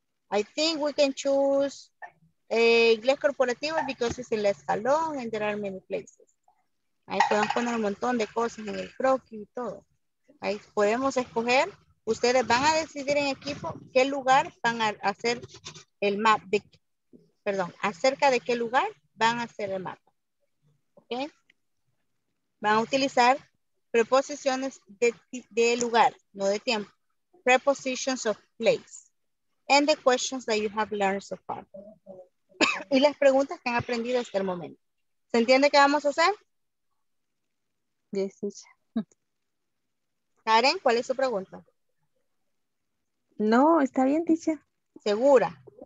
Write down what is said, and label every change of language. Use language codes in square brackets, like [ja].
[en] I think we can choose Inglés Corporativo because it's in Les Salón and there are many places. [es] Ahí podemos poner un montón de cosas en el croquis y todo. Ahí podemos escoger. Ustedes van a decidir en equipo qué lugar van a hacer el map. Acerca de qué lugar van a hacer el mapa. ¿Ok? Van a utilizar preposiciones de lugar, no de tiempo. [en] Prepositions of place. And the questions that you have learned so far. [es] y las preguntas que han aprendido hasta el momento. ¿Se entiende qué vamos a hacer? [en] Yes, yes. [es] Karen, ¿cuál es su pregunta? No, está bien, Tisha. ¿Segura?